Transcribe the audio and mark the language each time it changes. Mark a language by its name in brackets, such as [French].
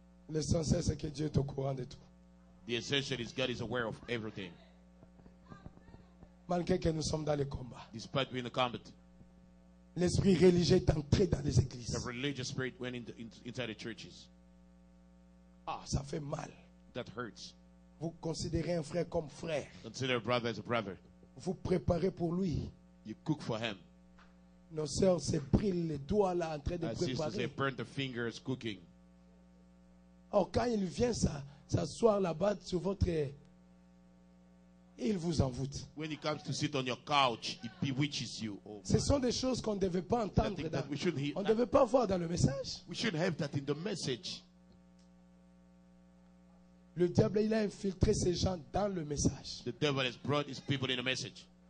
[French] L'essentiel c'est que Dieu est au courant de tout. [English] The essential is God is aware of everything. [French] Malgré que nous sommes dans le combat. [English] Despite being in the combat. [French] L'esprit religieux est entré dans les églises. [English] The religious spirit went inside the churches. [French] Ah, ça fait mal. [English] That hurts. [French] Vous considérez un frère comme frère. [English] Consider a brother as a brother. [French] Vous préparez pour lui. [English] You cook for him. [French] Nos sœurs se brillent les doigts là en train de préparer. [English] Sisters, they burn their fingers cooking. [French] Oh, quand il vient s'asseoir là-bas sur votre, il vous envoûte. [English] When he comes to sit on your couch, he bewitches you. Oh, [French] ce sont des choses qu'on ne devait pas entendre. On ne devait pas voir dans le message. [English] We should have that in the message. [French] Le diable, il a infiltré ces gens dans le message. [English] The devil has brought his people in the message.